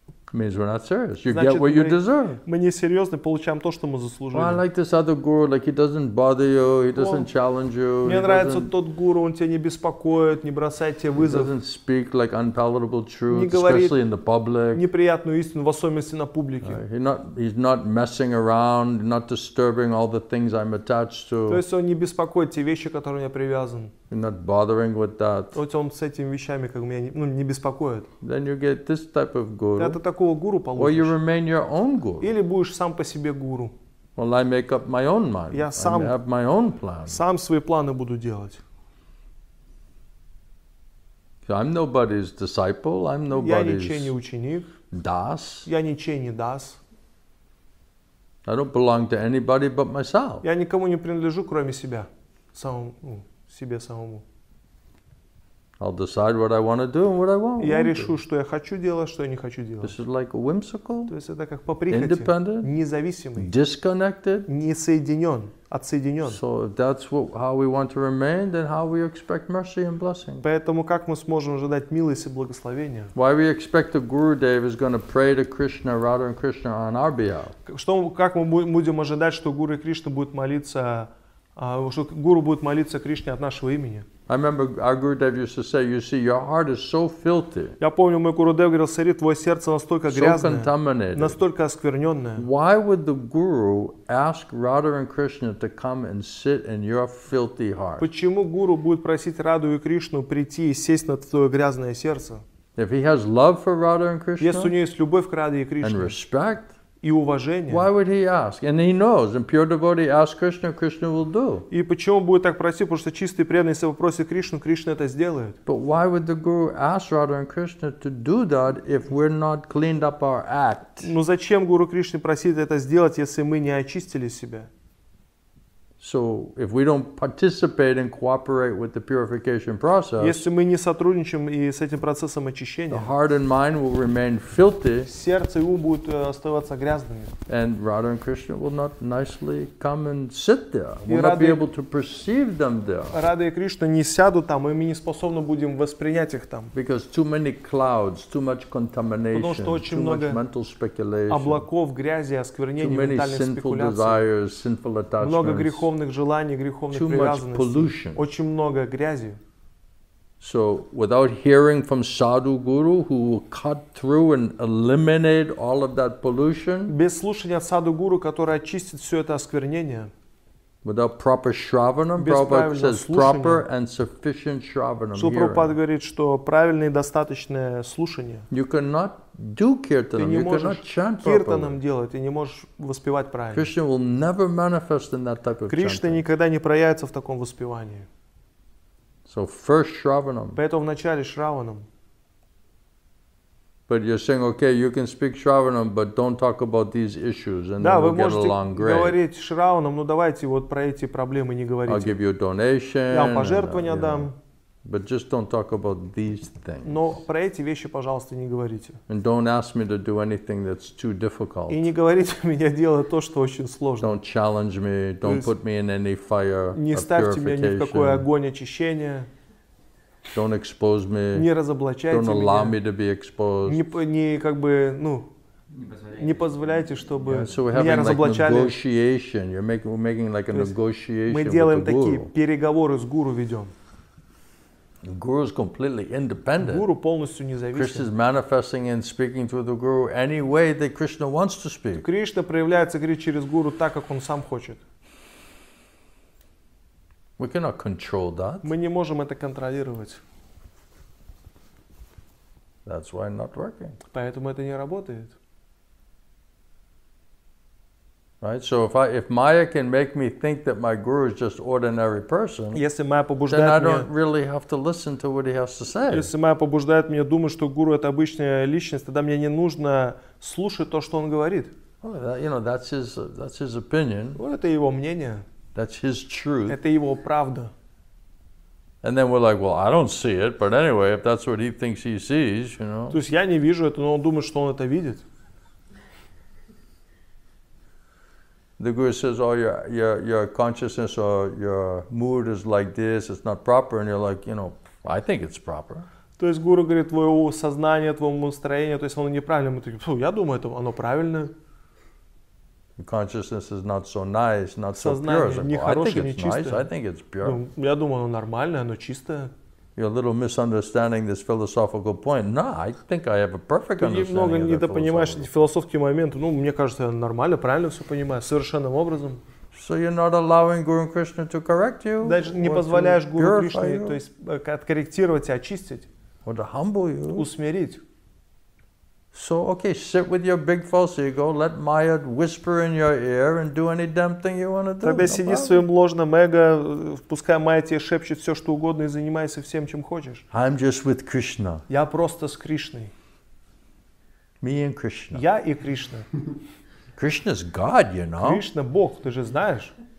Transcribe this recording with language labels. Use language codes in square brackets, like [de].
[en] Means we're not serious. You get what you deserve. [ru] Мы не серьезны, получаем то, что мы заслужили. [en] Well, I like this other guru. Like he doesn't bother you. He doesn't challenge you. [ru] Мне нравится тот гуру. Он тебя не беспокоит, не бросает тебе вызов. [en] Doesn't speak like unpalatable truths, especially in the public. [ru] Неприятную истину, в особенности на публике. [en] He's not messing around, not disturbing all the things I'm attached to. [ru] То есть он не беспокоит те вещи, которые я привязан. [en] You're not bothering with that. [ru] Вот он с этими вещами как меня не, ну, не беспокоит. [en] Then you get this type of guru. [ru] Это такого гуру получишь. [en] Or you remain your own guru. [ru] Или будешь сам по себе гуру. [en] Well, I make up my own mind. [ru] Я сам, [en] I have my own plan. [ru] Сам свои планы буду делать. [en] I'm nobody's disciple. I'm nobody's. [ru] Я ничей не ученик. Das. Я ничей не дас. [en] I don't belong to anybody but myself. [ru] Я никому не принадлежу, кроме себя. Сам. Себе самому. [en] I'll decide what I want to do and what I won't. [ru] Я решу, что я хочу делать, что я не хочу делать. [en] This is like a whimsical. [ru] То есть это как по прихоти. [en] Independent. [ru] Независимый. [en] Disconnected. [ru] Не соединен. Отсоединен. [en] So if that's what, how we want to remain, then how we expect mercy and blessing? [ru] Поэтому как мы сможем ожидать милости и благословения? [en] Why we expect the Guru Dev is going to pray to Krishna, Radha and Krishna on our behalf? [ru] Что, как мы будем ожидать, что Гуру Кришна будет молиться? Что гуру будет молиться Кришне от нашего имени. [en] I remember our Guru Dev used to say, you see, your heart is so filthy. [ru] Я помню, мой Гуру Дев говорил, смотри, твое сердце настолько грязное, [en] so contaminated. [ru] Настолько оскверненное. [en] Why would the Guru ask Radha and Krishna to come and sit in your filthy heart? [ru] Почему гуру будет просить Раду и Кришну прийти и сесть на твое грязное сердце? [en] If he has love for Radha and Krishna, [ru] если у него есть любовь к Раде и Кришне, [en] and respect. [ru] И уважение. [en] Why would he ask? And he knows. And pure devotee asks Krishna, Krishna will do. [ru] И почему будет так просить? Потому что чистый преданный, если попросит Кришну, Кришна это сделает. [en] But why would the guru ask Radha and Krishna to do that if we're not cleaned up our act? [ru] Ну зачем гуру Кришне просить это сделать, если мы не очистили себя? [en] So if we don't participate and cooperate with the purification process, [ru] если мы не сотрудничаем и с этим процессом очищения, [en] the heart and mind will remain filthy, [ru] сердце и ум будут оставаться грязными, [en] and Radha and Krishna will not nicely come and sit there. We'll not be able to perceive them there. [ru] Радха и Кришна не сядут там, и мы не способны будем воспринять их там. [en] Because too many clouds, too much contamination, [ru] потому что очень много [en] mental speculation, [ru] облаков, грязи, осквернений, [en] too many sinful desires, sinful attachments, [ru] много грехов. Греховных желаний, греховных привязанностей. Очень много грязи. [en] So without hearing from sadhu guru who will cut through and eliminate all of that pollution. [ru] Без слушания саду гуру, который очистит все это осквернение. [en] Without proper shravanam, Prabhupada says proper and sufficient shravanam. [ru] Что Прабхупада говорит, что правильное и достаточное слушание. [en] You cannot do kirtanam. [ru] Ты не можешь киртанам делать, ты не можешь воспевать правильно. [en] Krishna will never manifest in that type of chanting. [ru] Кришна никогда не проявится в таком воспевании. [en] So first shravanam. [ru] Поэтому вначале шраванам. [en] But you're saying, okay, you can speak Shravanam, but don't talk about these issues, and [ru] да, [en] then we'll get along great. [ru] Да, вы можете говорить Шраванам, но давайте вот про эти проблемы не говорите. [en] I'll give you a donation. [ru] Я вам пожертвования дам. [en] But just don't talk about these things. [ru] Но про эти вещи, пожалуйста, не говорите. [en] And don't ask me to do anything that's too difficult. [ru] И не говорите меня делать то, что очень сложно. [en] Don't challenge me. Don't put me in any fire. [ru] Не ставьте меня ни в какой огонь очищения. [en] Don't expose me. [ru] Не разоблачайте меня. [en] Don't allow [ru] меня. [en] Me to be exposed. [ru] Не позволяйте, чтобы меня разоблачали. [en] Like negotiation. We're making like a negotiation. [ru] Мы делаем такие переговоры с гуру ведем. [en] Guru is completely independent. [ru] Гуру полностью независим. [en] Krishna is manifesting and speaking through the guru any way that Krishna wants to speak. [ru] Кришна проявляется, говорит, через гуру так, как он сам хочет. [en] We cannot control that. [ru] Мы не можем это контролировать. [en] That's why not working. [ru] Поэтому это не работает. [en] Right? So if Maya can make me think that my guru is just ordinary person, then I don't really have to listen to what he has to say. [ru] Если Майя побуждает меня думать, что гуру это обычная личность, тогда мне не нужно слушать то, что он говорит. [en] Well, that, you know, that's his opinion. [ru] Вот это его мнение. [en] That's his truth. [ru] Это его правда. [en] And then we're like, well, I don't see it, but anyway, if that's what he thinks he sees, you know. [ru] То есть я не вижу это, но он думает, что он это видит. [en] The guru says, oh, your consciousness or your mood is like this, it's not proper, and you're like, you know, I think it's proper. [ru] То есть гуру говорит, твое сознание, твоему настроению, то есть оно неправильное. Мы такие, я думаю, это оно правильное. [en] Consciousness is not so nice, not so pure. [ru] Сознание нехорошее, нечистое. [en] I think it's pure. [ru] Ну, я думаю, оно нормальное, оно чистое. [en] You're a little misunderstanding this philosophical point. No, I think I have a perfect understanding of that. [ru] Ты немного недопонимаешь эти философские моменты. Ну, мне кажется, я нормально, правильно все понимаю, совершенным образом. [en] So you're not allowing Guru and Krishna to correct you? [ru] Даже не позволяешь Гуру Кришне, то есть откорректировать и очистить. [en] Or to humble you? [ru] Усмирить. [en] So, okay, sit with your big false ego, let Maya whisper in your ear and do any damn thing you want to do. [ru] Тогда сиди в своем ложном эго, пускай Майя тебе шепчет все, что угодно, и занимайся всем, чем хочешь. [en] I'm just with Krishna. [ru] Я просто с Кришной. [en] Me and Krishna. [ru] Я и Кришна. [en] Krishna's God, you know. [ru] Кришна – Бог, ты же знаешь.